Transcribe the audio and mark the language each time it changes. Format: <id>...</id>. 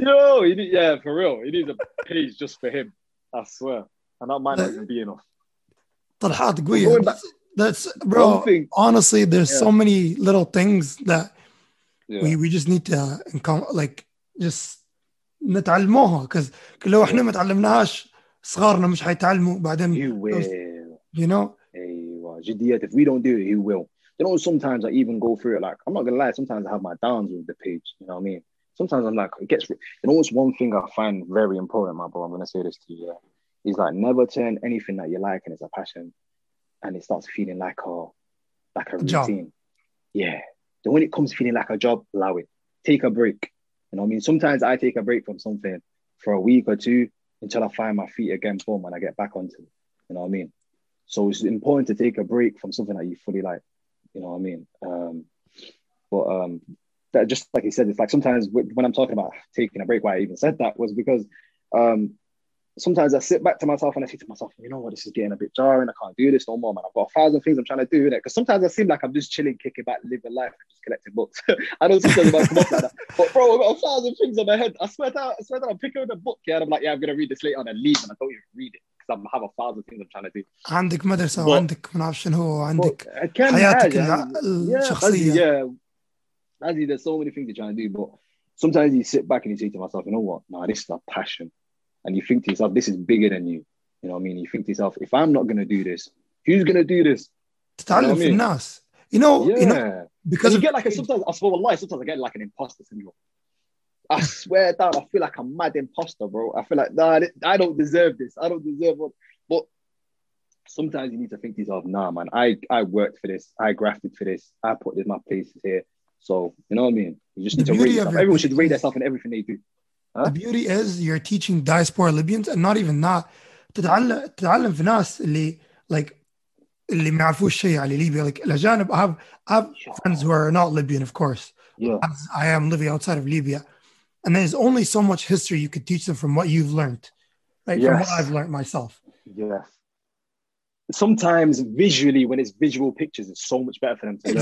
<en>Yo, yeah, for real. It is a page just for him. I swear. And that might not even be enough. Talhat Gwiyah. That's, bro, thing, honestly, there's so many little things that we just need to, like, just</en> <ar>نتعلموها.</ar> <en>Because</en> <ar>لو احنا ما تعلمناهاش صغارنا مش هيتعلموا بعدين.</ar> <en>You will. You know? If we don't do it, he will. You know, sometimes I even go through it. Like, I'm not going to lie. Sometimes I have my downs with the page. You know what I mean? Sometimes I'm like, it gets... You know, what's one thing I find very important, my bro? I'm going to say this to you. He's like, never turn anything that you like and it's a passion and it starts feeling like a routine. Yeah. Then when it comes to feeling like a job, allow it. Take a break. You know what I mean? Sometimes I take a break from something for a week or two until I find my feet again, boom, and I get back onto it. You know what I mean? So it's important to take a break from something that you fully like, you know what I mean? But that just like you said, it's like sometimes when I'm talking about taking a break, why I even said that was because sometimes I sit back to myself and I say to myself, you know what, this is getting a bit jarring. I can't do this no more, man. I've got a thousand things I'm trying to do in it. Because sometimes I seem like I'm just chilling, kicking back, living life, just collecting books. I don't see something about come up like that. But bro, I've got a thousand things on my head. I swear that I'm picking up a book. Yeah, and I'm like, yeah, I'm going to read this later on and leave and I don't even read it. I have a thousand things I'm trying to do.</en> <ar>عندك مدرسة وعندك من عشان هو عندك حياتك الشخصية.</ar> <en>Yeah, Azzy, there's so many things you're trying to do, but sometimes you sit back and you say to myself, you know what? Nah, this is a passion. And you think to yourself, this is bigger than you. You know what I mean? You think to yourself, if I'm not going to do this, who's going to do this?</en> <ar>تتعلم في الناس.</ar> <en>You know, because you get like, sometimes I get like an imposter syndrome. I swear that I feel like a mad imposter, bro. I feel like, nah, I don't deserve this. I don't deserve it. But sometimes you need to think to yourself, nah, man, I worked for this. I grafted for this. I put this, my places here. So, you know what I mean? You just need to read yourself. Everyone should read themselves in everything they do. Huh? The beauty is you're teaching diaspora Libyans and not even that.</en> <ar>تتعلم في ناس اللي ما يعرفوش شيء على ليبيا.</ar> <en>Like, الأجانب, I have friends who are not Libyan, of course. Yeah. As I am living outside of Libya. And there's only so much history you could teach them from what you've learned, right? Yes. From what I've learned myself. Yes. Sometimes visually, when it's visual pictures, it's so much better for them to</en>